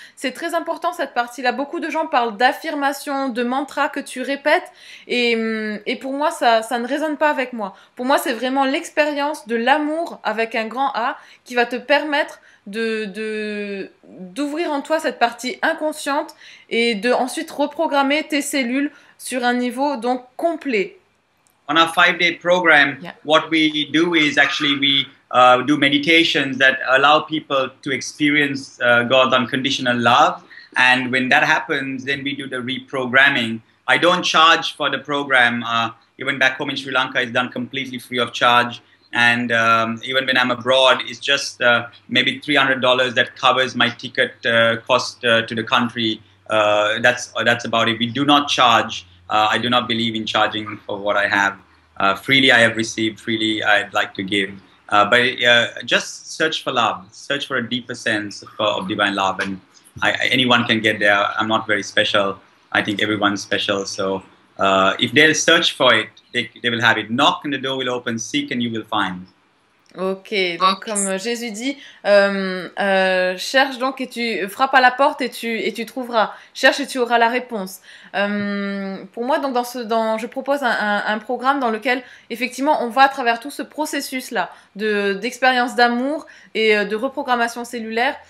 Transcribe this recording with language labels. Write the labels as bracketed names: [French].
[French] C'est très important cette partie-là. Beaucoup de gens parlent d'affirmations, de mantras que tu répètes, et pour moi ça ne résonne pas avec moi. Pour moi c'est vraiment l'expérience de l'amour avec un grand A qui va te permettre d'ouvrir en toi cette partie inconsciente et de ensuite reprogrammer tes cellules sur un niveau donc complet. [English] On our 5-day program, what we do is actually we do meditations that allow people to experience God's unconditional love. And when that happens, then we do the reprogramming. I don't charge for the program. Even back home in Sri Lanka, it's done completely free of charge. And even when I'm abroad, it's just maybe $300 that covers my ticket cost to the country. That's about it. We do not charge. I do not believe in charging for what I have. Freely I have received, freely I'd like to give. Just search for love. Search for a deeper sense of divine love. And anyone can get there. I'm not very special. I think everyone's special. So if they'll search for it, they will have it. Knock and the door will open. Seek and you will find. [French] Ok, donc comme Jésus dit, cherche donc et tu frappes à la porte et tu trouveras. Cherche et tu auras la réponse. Pour moi, donc je propose un programme dans lequel effectivement on va à travers tout ce processus là d'expérience d'amour et de reprogrammation cellulaire.